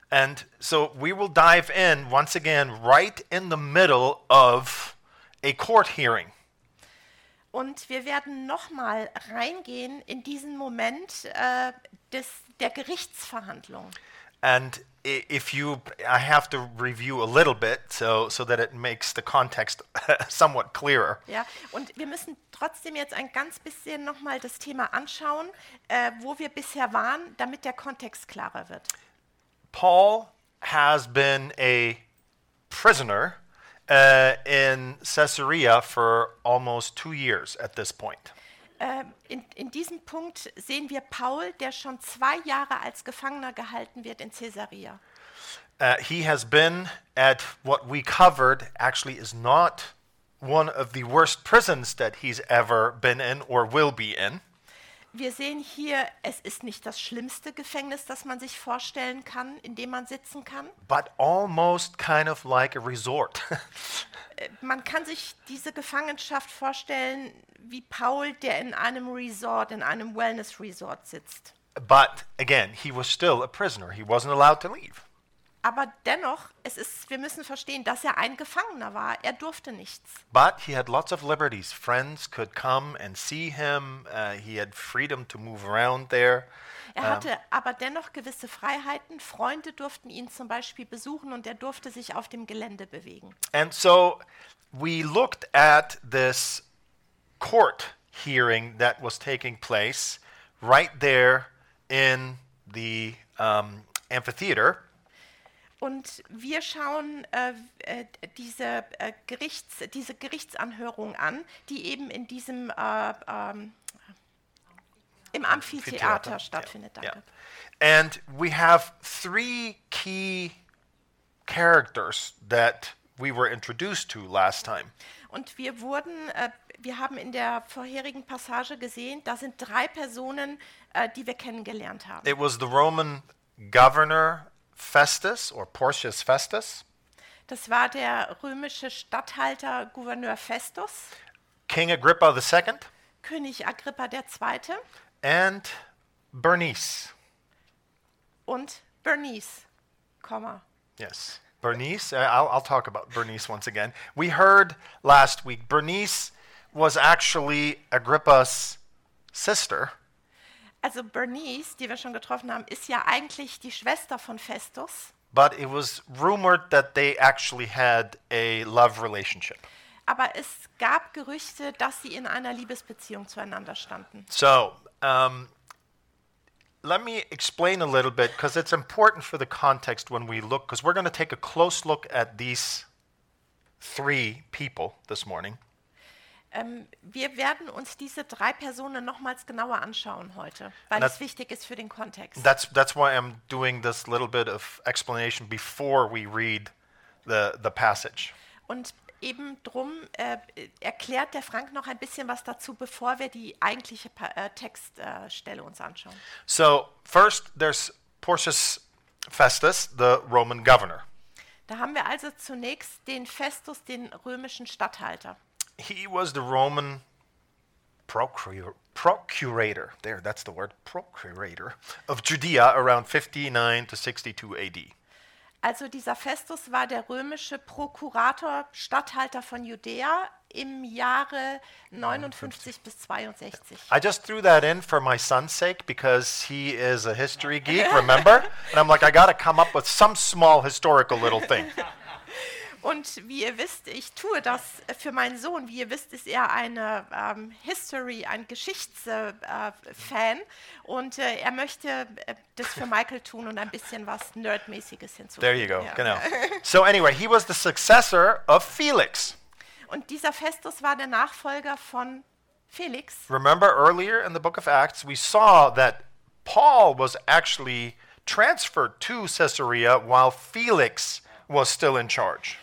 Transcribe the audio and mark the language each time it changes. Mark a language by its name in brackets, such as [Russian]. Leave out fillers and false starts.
[English] And so we will dive in once again right in the middle of a court hearing. [German] Und wir werden nochmal reingehen in diesen Moment der Gerichtsverhandlung. [English] And if you, I have to review a little bit so that it makes the context somewhat clearer. [German] Ja, und wir müssen trotzdem jetzt ein ganz bisschen nochmal das Thema anschauen, wo wir bisher waren, damit der Kontext klarer wird. [English] Paul has been a prisoner in Caesarea for almost 2 years at this point. [German] In diesem Punkt sehen wir Paul, der schon 2 Jahre als Gefangener gehalten wird in Caesarea. [English] He has been at what we covered actually is not one of the worst prisons that he's ever been in or will be in. [German] Wir sehen hier, es ist nicht das schlimmste Gefängnis, das man sich vorstellen kann, in dem man sitzen kann. [English] But almost kind of like a resort. [German] Man kann sich diese Gefangenschaft vorstellen wie Paul, der in einem Resort, in einem Wellness-Resort sitzt. [English] But again, he was still a prisoner. He wasn't allowed to leave. [German] Aber dennoch, es ist, wir müssen verstehen, dass er ein Gefangener war. Er durfte nichts. [English] But he had lots of liberties. Friends could come and see him. He had freedom to move around there. [German] Er hatte aber dennoch gewisse Freiheiten. Freunde durften ihn zum Beispiel besuchen und er durfte sich auf dem Gelände bewegen. [English] And so we looked at this court hearing that was taking place right there in the amphitheater. [German] Und wir schauen diese Gerichtsanhörung an, die eben in diesem im Amphitheater stattfindet. Yeah. Danke. [English] And we have 3 key characters that we were introduced to last time. [German] Und wir wurden wir haben in der vorherigen Passage gesehen, da sind 3 Personen, die wir kennengelernt haben. [English] It was the Roman governor Festus or Porcius Festus. [German] Das war der römische Statthalter Gouverneur Festus. [English] King Agrippa the Second. [German] König Agrippa der Zweite. [English] And Bernice. [German] Und Bernice, comma. [English] Yes, Bernice. I'll talk about Bernice once again. We heard last week Bernice was actually Agrippa's sister. [German] Also Bernice, die wir schon getroffen haben, ist ja eigentlich die Schwester von Festus. [English] But it was rumored that they actually had a love relationship. [German] Aber es gab Gerüchte, dass sie in einer Liebesbeziehung zueinander standen. [English] So, let me explain a little bit, because it's important for the context when we look, because we're going to take a close look at these 3 people this morning. [German] Wir werden uns diese 3 Personen nochmals genauer anschauen heute, weil es wichtig ist für den Kontext. [English] That's why I'm doing this little bit of explanation before we read the passage. [German] Und eben drum erklärt der Frank noch ein bisschen was dazu, bevor wir die eigentliche Textstelle uns anschauen. [English] So, first there's Porcius Festus, the Roman governor. [German] Da haben wir also zunächst den Festus, den römischen Statthalter. [English] He was the Roman procurator. There, that's the word, procurator of Judea around 59 to 62 AD. [German] Also dieser Festus war der römische Prokurator, Statthalter von Judäa im Jahre 59 bis 62. [English] I just threw that in for my son's sake because he is a history geek, remember? And I'm like, I gotta come up with some small historical little thing. [German] Und wie ihr wisst, ich tue das für meinen Sohn. Wie ihr wisst, ist er eine History, ein Geschichtsfan. Und er möchte das für Michael tun und ein bisschen was Nerdmäßiges hinzufügen. [English] There you go, [German] ja. Genau. [English] So anyway, he was the successor of Felix. [German] Und dieser Festus war der Nachfolger von Felix. [English] Remember earlier in the book of Acts, we saw that Paul was actually transferred to Caesarea while Felix was still in charge.